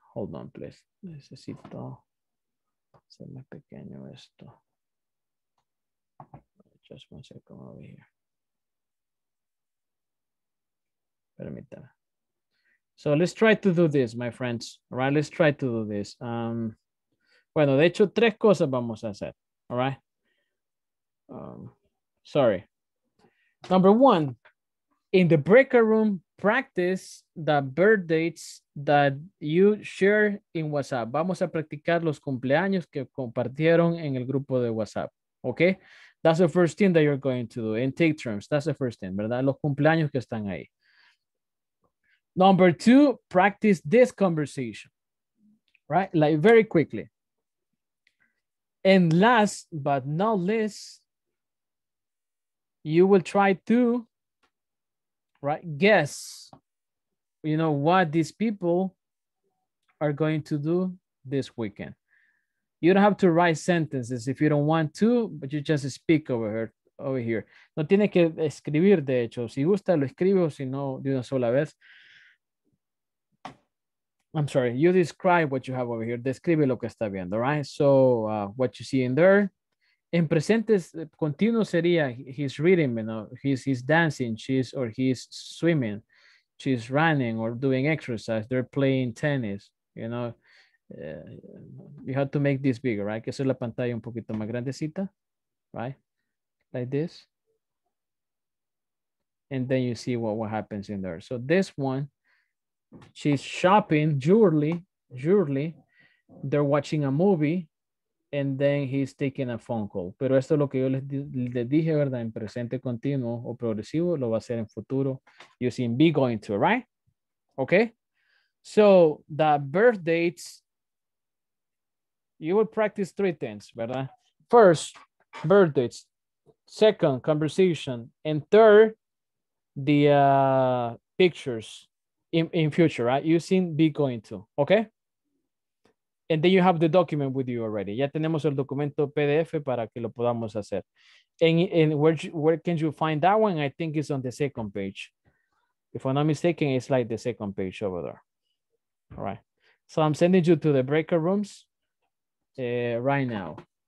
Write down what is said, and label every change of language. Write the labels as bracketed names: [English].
[English] Hold on, please. [Spanish] Necesito hacer más pequeño esto. [English] Just one second over here. [Spanish] Permítame. [English] So let's try to do this, my friends. All right, let's try to do this. [Spanish] Bueno, de hecho, tres cosas vamos a hacer. [English] All right. Sorry. Number one, in the breakout room, practice the birth dates that you share in WhatsApp. [Spanish] Vamos a practicar los cumpleaños que compartieron en el grupo de WhatsApp. [English] Okay? That's the first thing that you're going to do. And take turns. That's the first thing, ¿verdad? [Spanish] Los cumpleaños que están ahí. [English] Number two, practice this conversation, right? Like very quickly. And last but not least, you will try to, right, guess, you know, what these people are going to do this weekend. You don't have to write sentences if you don't want to, but you just speak over here. [Spanish] No tiene que escribir, de hecho. Si gusta, lo escribo, si no, de una sola vez. [English] I'm sorry, you describe what you have over here. [Spanish] Describe lo que está viendo, [English] right? So what you see in there. [Spanish] En presentes continuo sería [English] he's reading, you know, he's dancing, she's, or he's swimming, she's running or doing exercise, they're playing tennis, you know. You have to make this bigger, right? [Spanish] Que sea la pantalla un poquito más grandecita, right? [English] Like this. And then you see what happens in there. So this one, she's shopping, jewelry, they're watching a movie. And then he's taking a phone call. [Spanish] Pero esto es lo que yo les dije, ¿verdad? En presente continuo o progresivo, lo va a hacer en futuro [English] using be going to, right? Okay? So the birth dates, you will practice three things, ¿verdad? First, birth dates. Second, conversation. And third, the pictures in future, right? Using be going to, okay? And then you have the document with you already. [Spanish] Ya tenemos el documento PDF para que lo podamos hacer. [English] And where can you find that one? I think it's on the second page. If I'm not mistaken, it's like the second page over there. All right. So I'm sending you to the breakout rooms right now.